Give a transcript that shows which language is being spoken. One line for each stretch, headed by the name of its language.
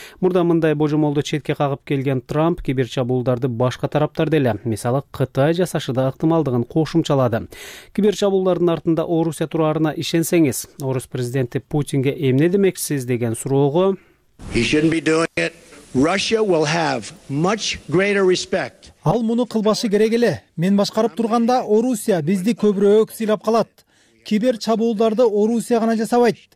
Kyrgyz: Мурда мындай божомолду четке кагып келген Трамп кибершабуулдарды башка тараптар деле, мисалы Кытай жасашы да ыктымалдыгын кошумчалады. Кибершабуулдардын артында Орусия турарына ишенсеңиз, Орус президенти Путинге эмне демексиз деген суроого
English: He shouldn't be doing it. Russia will have much greater respect.
Kyrgyz: Ал муну кылбашы керек эле. Мен башкарып турганда Орусия бизди көбүрөөк сыйлап калат. Кибер чабуулдарды Орусия гана жасабайт.